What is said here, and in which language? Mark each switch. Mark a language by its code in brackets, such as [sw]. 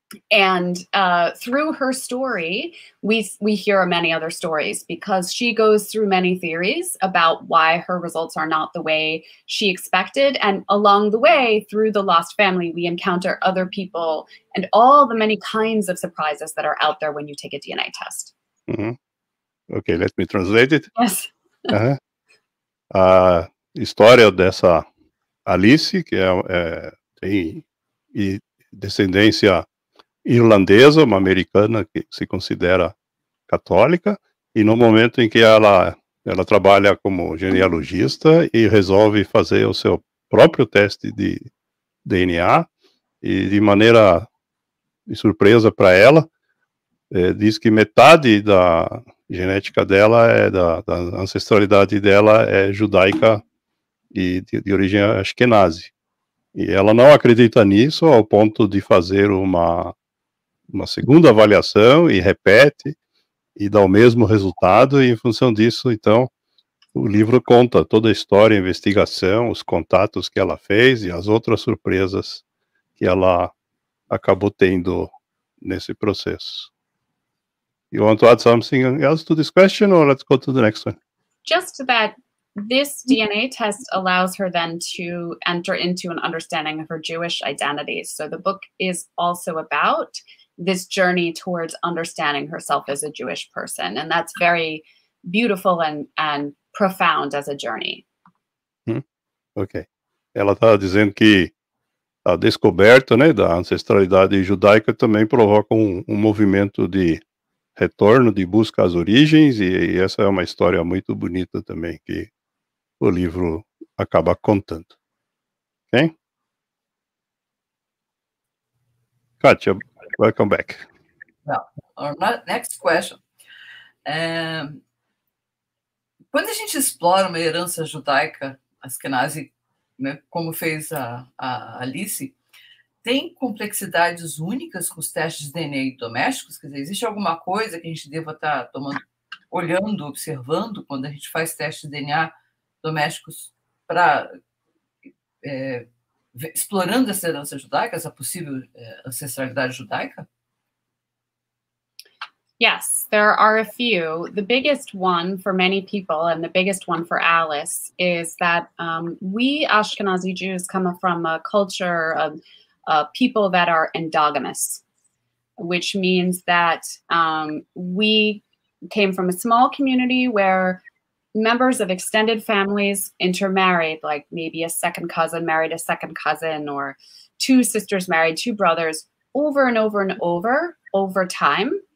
[en] And through her story, we hear many other stories, because she goes through many theories about why her results are not the way she expected. And along the way, through the lost family, we encounter other people and all the many kinds of surprises that are out there when you take a DNA test. Mm-hmm. Okay, let me translate it. Yes. Uh-huh. [pt] A história dessa Alice, que tem descendência irlandesa, uma americana que se considera católica, e no momento em que ela trabalha como genealogista e resolve fazer o seu próprio teste de DNA, e de maneira de surpresa para ela, diz que metade da genética dela, da ancestralidade dela, é judaica e de origem ashkenazi. E ela não acredita nisso ao ponto de fazer uma segunda avaliação, e repete, e dá o mesmo resultado, e em função disso, então, o livro conta toda a história, a investigação, os contatos que ela fez, e as outras surpresas que ela acabou tendo nesse processo. [en] You want to add something else to this question, or let's go to the next one? Just that this DNA test allows her then to enter into an understanding of her Jewish identity. So the book is also about this journey towards understanding herself as a Jewish person. And that's very beautiful and profound as a journey. Okay. [pt] Ela está dizendo que a descoberta, né, da ancestralidade judaica também provoca um movimento de retorno, de busca às origens, e essa é uma história muito bonita também que o livro acaba contando. Ok? [en] Katia, welcome back. Well, our next question. [pt] Quando a gente explora uma herança judaica, Ashkenazi, né, como fez a Alice, tem complexidades únicas com os testes de DNA domésticos? Quer dizer, existe alguma coisa que a gente deva estar tomando, olhando, observando, quando a gente faz testes de DNA domésticos para explorando essa herança judaica, essa possível ancestralidade judaica? [en] Yes, there are a few. The biggest one for many people, and the biggest one for Alice, is that we Ashkenazi Jews come from a culture of people that are endogamous, which means that we came from a small community where members of extended families intermarried, like maybe a second cousin married a second cousin, or two sisters married two brothers, over and over and over, over time.